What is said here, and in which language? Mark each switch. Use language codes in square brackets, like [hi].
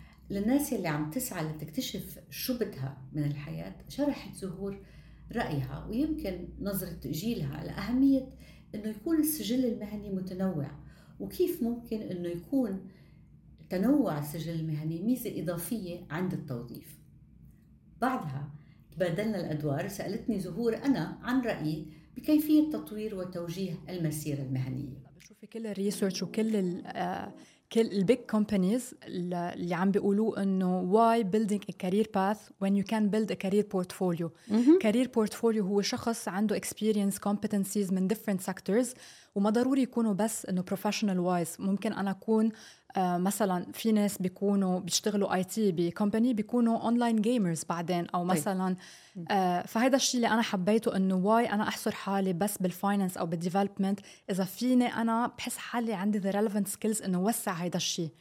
[ar] للناس يلي عم تسعى لتكتشف شو بدها من الحياة، شرحت زهور رأيها ويمكن نظرة جيلها لأهمية أنه يكون السجل المهني متنوع، وكيف ممكن أنه يكون تنوع السجل المهني ميزة إضافية عند التوظيف. بعدها تبادلنا الأدوار، سألتني زهور أنا عن رأيي بكيفية تطوير وتوجيه المسيرة المهنية. بشوفي كل الريسورش وكل كل البيج كومبانيز اللي عم بيقولوا انه [en] why building a career path when you can build a career portfolio. [ar] career portfolio هو شخص عنده [en] experience competencies [ar] من [en] different sectors، [ar] وما ضروري يكونوا بس انه [en] professional wise. [ar] ممكن انا اكون مثلا في ناس بيكونوا بيشتغلوا IT بكمباني بيكونوا online gamers بعدين، او مثلا فهذا الشيء اللي انا حبيته انه why انا احصر حالي بس بالفاينانس او بالديفلوبمنت، اذا فيني انا بحس حالي عندي [en] the relevant skills [ar] انه وسع هذا الشيء.